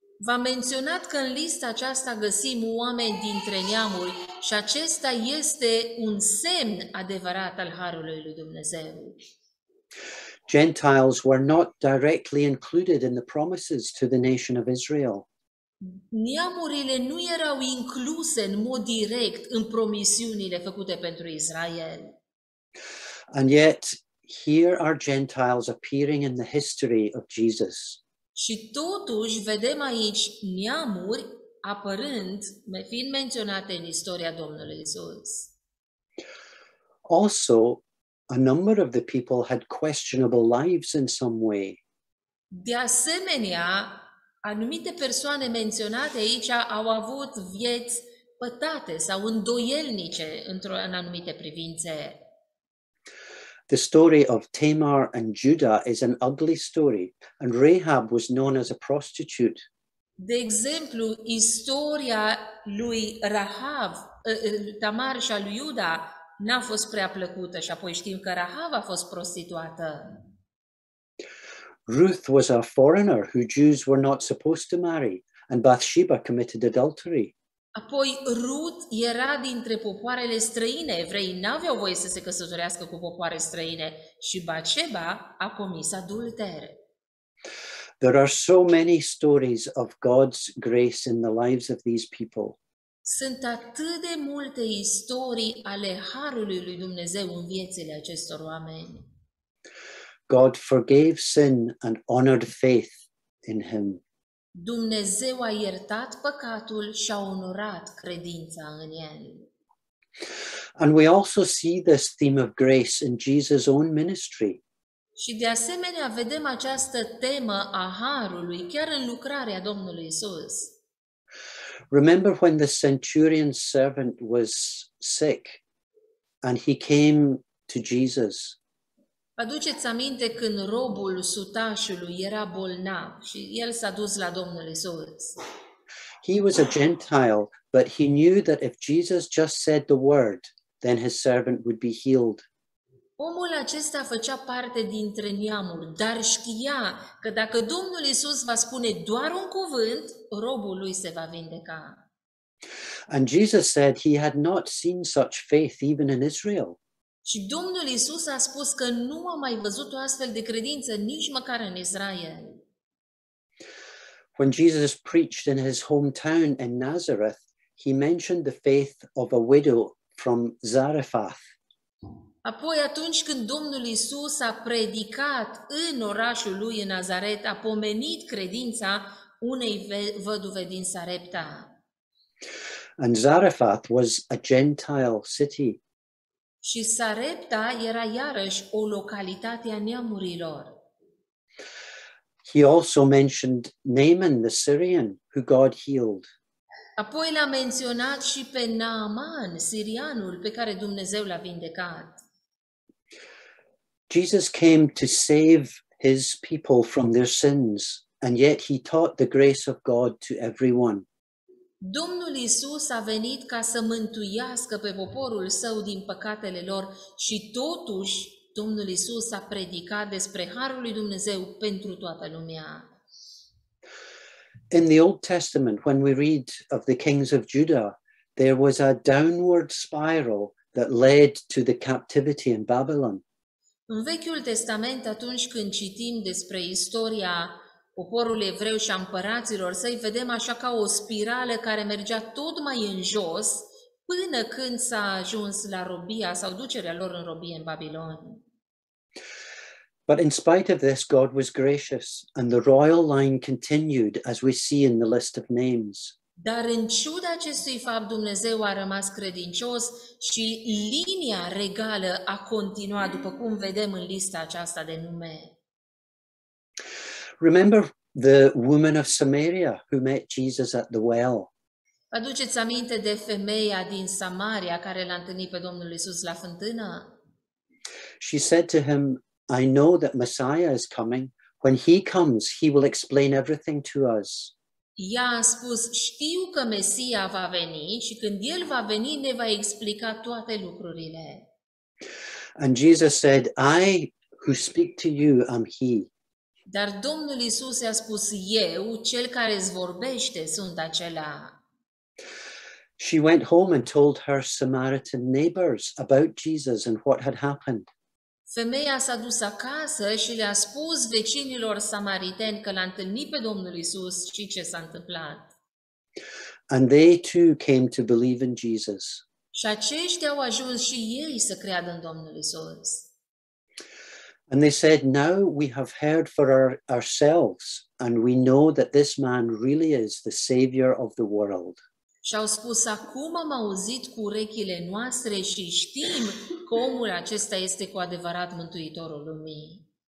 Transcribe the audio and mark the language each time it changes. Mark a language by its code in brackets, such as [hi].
[ro] V-am menționat că în lista aceasta găsim oameni dintre neamuri și acesta este un semn adevărat al harului lui Dumnezeu. [en] Gentiles were not directly included in the promises to the nation of Israel. [ro] Neamurile nu erau incluse în mod direct în promisiunile făcute pentru Israel. [en] And yet, here are Gentiles appearing in the history of Jesus. [ro] Și totuși vedem aici neamuri apărând, fiind menționate în istoria Domnului Iisus. [en] Also, a number of the people had questionable lives in some way. [ro] De asemenea, anumite persoane menționate aici au avut vieți pătate sau îndoielnice în anumite privințe. [en] The story of Tamar and Judah is an ugly story, and Rahab was known as a prostitute. [ro] De exemplu, istoria lui Rahab, Tamar și a lui Iuda, n-a fost prea plăcută, și apoi știm că Rahab a fost prostituată. [en] Ruth was a foreigner who Jews were not supposed to marry, and Bathsheba committed adultery. [ro] Apoi Rut era dintre popoarele străine, evreii n-aveau voie să se căsătorească cu popoare străine și Bathsheba a comis adulter. [en] There are so many stories of God's grace in the lives of these people. [ro] Sunt atât de multe istorii ale harului lui Dumnezeu în viețile acestor oameni. [en] God forgave sin and honored faith in him. [ro] Dumnezeu a iertat păcatul și a onorat credința în el. [en] And we also see this theme of grace in Jesus' own ministry. [ro] Și de asemenea vedem această temă a harului chiar în lucrarea Domnului Isus. [en] Remember when the centurion's servant was sick and he came to Jesus. [ro] Aduceți aminte când robul sutașului era bolnav și el s-a dus la Domnul Isus. [en] He was a Gentile, but he knew that if Jesus just said the word, then his servant would be healed. [ro] Omul acesta făcea parte dintre neamuri, dar știa că dacă Domnul Isus va spune doar un cuvânt, robul lui se va vindeca. [en] And Jesus said he had not seen such faith even in Israel. [ro] Și Domnul Isus a spus că nu a mai văzut o astfel de credință nici măcar în Israel. [en] When Jesus preached in his hometown in Nazareth, he mentioned the faith of a widow from Zarephath. [ro] Apoi atunci când Domnul Isus a predicat în orașul lui în Nazaret, a pomenit credința unei văduve din Sarepta. [en] And Zarephath was a Gentile city. [ro] Și Sarepta era iarăși o localitate a neamurilor. [en] He also mentioned Naaman the Syrian, who God healed. [ro] Apoi l-a menționat și pe Naaman, sirianul pe care Dumnezeu l-a vindecat. [en] Jesus came to save his people from their sins, and yet he taught the grace of God to everyone. [ro] Domnul Iisus a venit ca să mântuiască pe poporul său din păcatele lor și totuși Domnul Iisus a predicat despre harul lui Dumnezeu pentru toată lumea. [en] In the Old Testament, when we read of the kings of Judah, there was a downward spiral that led to the captivity in Babylon. [ro] În Vechiul Testament, atunci când citim despre istoria poporul evreu și a împăraților săi, vedem așa ca o spirală care mergea tot mai în jos până când s-a ajuns la robia sau ducerea lor în robie în Babilon. [en] But in spite of this, God was gracious and the royal line continued as we see in the list of names. [ro] Dar în ciuda acestui fapt, Dumnezeu a rămas credincios și linia regală a continuat, după cum vedem în lista aceasta de nume. [en] Remember the woman of Samaria who met Jesus at the well. [ro] Aduceți aminte de femeia din Samaria care l-a întâlnit pe Domnul Iisus la fântână? [en] She said to him, I know that Messiah is coming. When he comes, he will explain everything to us. [ro] Ea a spus, știu că Mesia va veni și când el va veni, ne va explica toate lucrurile. [en] And Jesus said, I who speak to you am he. [ro] Dar Domnul Iisus i-a spus, eu, cel care îți vorbește, sunt acela. [en] She went home and told her Samaritan neighbors about Jesus and what had happened. [ro] Femeia s-a dus acasă și le-a spus vecinilor samariteni că l-a întâlnit pe Domnul Iisus și ce s-a întâmplat. [en] And they too came to believe in Jesus. [ro] Și aceștia au ajuns și ei să creadă în Domnul Iisus. [en] And they said, now we have heard for ourselves and we know that this man really is the savior of the world. [ro] Și au spus, acum am auzit cu urechile noastre și știm că omul acesta este cu adevărat mântuitorul lumii.